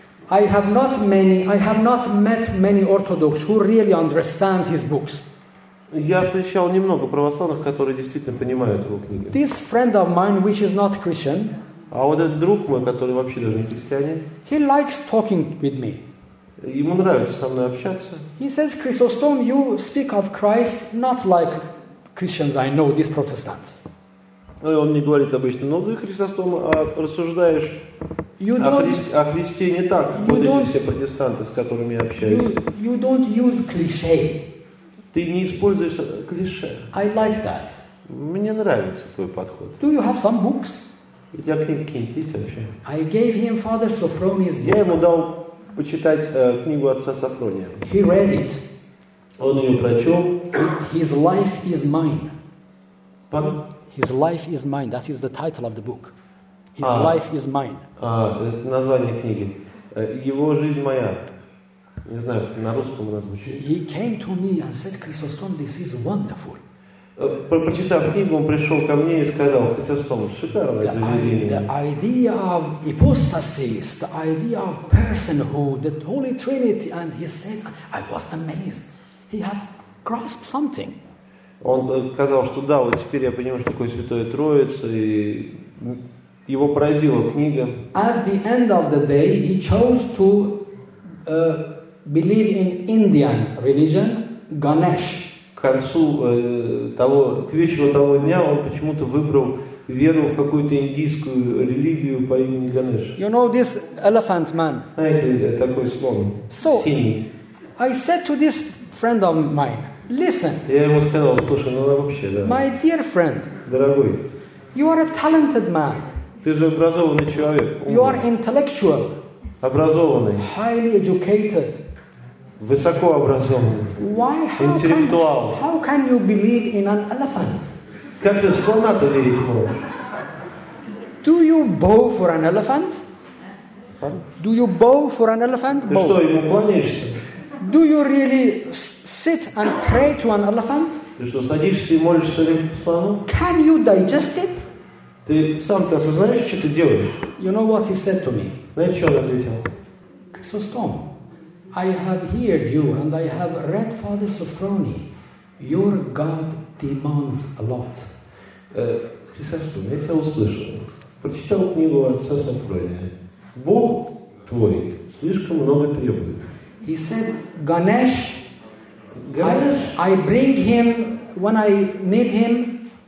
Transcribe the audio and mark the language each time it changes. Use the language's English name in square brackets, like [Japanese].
[English] I have not met many Orthodox who really understand his books. [Russian] Я встречал немного православных, которые действительно понимают его книги. [English] This friend of mine, which is not Christian, [Russian] а вот этот друг мой, который вообще даже не христианин, [English] he likes talking with me. [Russian] Ему нравится со мной общаться. [English] He says, Chrysostom, you speak of Christ not like Christians I know, these Protestants. [Russian] Ну, он мне говорит обычно, ну ты Христостом рассуждаешь о Христе не так, вот эти все протестанты, с которыми я общаюсь. [English] You don't use cliché. [Russian] Ты не используешь клише. [English] I like that. [Russian] Мне нравится твой подход. [English] Do you have some books? [Russian] У тебя книги есть вообще? [English] I gave him Father Sofroni's book. [Russian] Я ему дал почитать книгу отца Сафрония. [English] He read it. [Russian] Он ее прочел. [English] His life is mine. Pardon? His life is mine. That is the title of the book. His life is mine. [Russian] Это название книги. Его жизнь моя. Не знаю, на русском она звучит. [English] He came to me and said, Chrysostom, this is wonderful. [Russian] Прочитав книгу, он пришел ко мне и сказал, Хрисостом, шикарное заведение. [English] The idea of apostasy, the idea of personhood, the Holy Trinity, and he said, I was amazed. He had grasped something. [Russian] Он сказал, что да, вот теперь я понимаю, что такое Святая Троица, и его поразила книга. [English] At the end of the day, he chose to believe in Indian religion, Ganesh. [Russian] К концу того, к вечеру того дня он почему-то выбрал веру в какую-то индийскую религию по имени Ганеш. [English] You know this elephant man? [Russian] Знаете, такой слон, [English] so, [Russian] синий. [English] I said to this friend of mine, listen. [Russian] Я ему сказал, слушай, ну вообще, да. [English] My dear friend. [Russian] Дорогой. [English] You are a talented man. [Russian] Ты же образованный человек. Умный. [English] You are intellectual. [Russian] Образованный. [English] Highly educated. [Russian] Высоко образованный, интеллектуал. [English] How can you believe in an elephant? [Russian] Как же слона-то верить можно? [English] Do you bow for an elephant? Do you bow for an elephant? [Russian] Ты что, ему поклоняешься? [English] Do you really sit and pray to an elephant? [Russian] Ты что, садишься и молишься слону? [English] Can you digest it? [Russian] Ты сам-то осознаешь, что ты делаешь? [English] You know what he said to me? [Russian] Знаешь, что он ответил? [English] Chrysostom. I have heard you and I have read Father Sofroni. Your God demands a lot. [Russian] Христос, я тебя услышал. Прочитал книгу отца Софрония. Бог твой слишком много требует. [English] He said, Ganesh, I bring him when I need him.